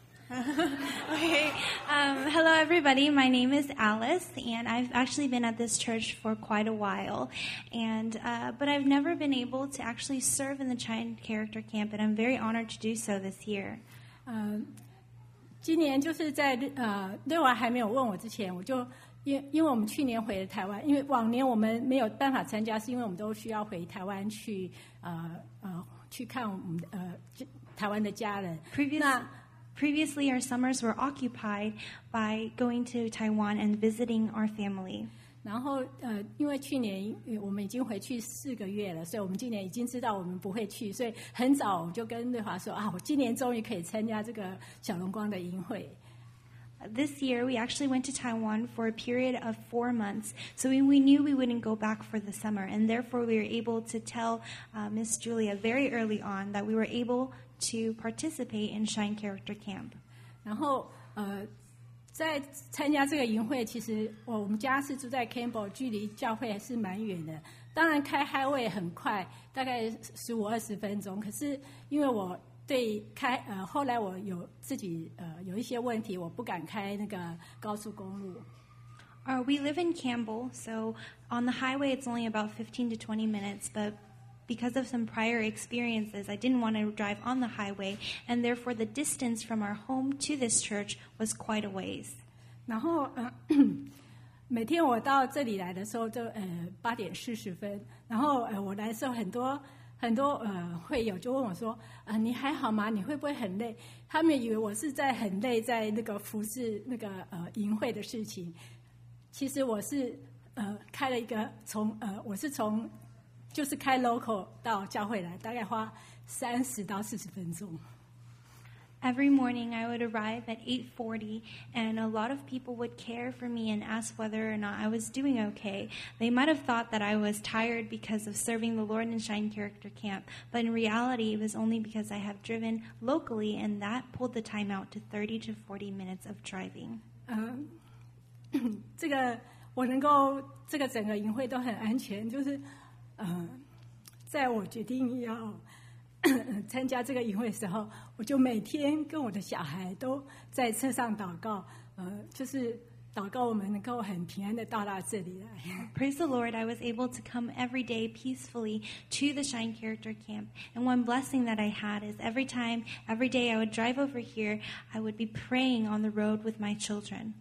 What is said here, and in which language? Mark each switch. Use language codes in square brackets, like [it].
[en] Hello everybody, my name is Alice and I've actually been at this church for quite a while and, but I've never been able to actually serve in the China Character Camp and I'm very honored to do so this year. [zh] 今年就是在瑞娃还没有问我之前我就因为我们去年回了台湾因为往年我们没有办法参加是因为我们都需要回台湾去去看我们台湾的家人 [en] Previously, our summers were occupied by going to Taiwan and visiting our family. [zh] 然后，因为去年我们已经回去四个月了，所以我们今年已经知道我们不会去，所以很早我就跟瑞华说啊，我今年终于可以参加这个小龙光的营会。 [en] This year, we actually went to Taiwan for a period of 4 months, so we knew we wouldn't go back for the summer, and therefore we were able to tell Miss Julia very early on that we were able. To participate in Shine Character Camp. [zh] 然后，在参加这个营会，其实我们家是住在 Campbell， 距离教会还是蛮远的。当然，开 Highway 很快，大概15-20分钟。可是，因为我对开后来我有自己有一些问题，我不敢开那个高速公路。 [en] We live in Campbell, so on the highway it's only about 15-20 minutes, but Because of some prior experiences, I didn't want to drive on the highway, and therefore the distance from our home to this church was quite a ways. [zh] 然后，每天我到这里来的时候就8:40，然后我来的时候很多会友就问我说，你还好吗？你会不会很累？他们以为我是在很累，在那个服侍那个营会的事情。其实我是开了一个从我是从。就是开 local 到教会来，大概花30-40分钟。 [en] Every morning I would arrive at 8:40, and a lot of people would care for me and ask whether or not I was doing okay. They might have thought that I was tired because of serving the Lord in Shine Character Camp, but in reality, it was only because I have driven locally, and that pulled the time out to 30-40 minutes of driving. [zh] 这个我能够，这个整个营会都很安全，就是。在我决定要参加这个营会的时候，我就每天跟我的小孩都在车上祷告，就是祷告我们能够很平安的到达这里来。 [en] Praise the Lord, I was able to come every day peacefully to the Shine Character Camp. And one blessing that I had is every day I would drive over here, I would be praying on the road with my children.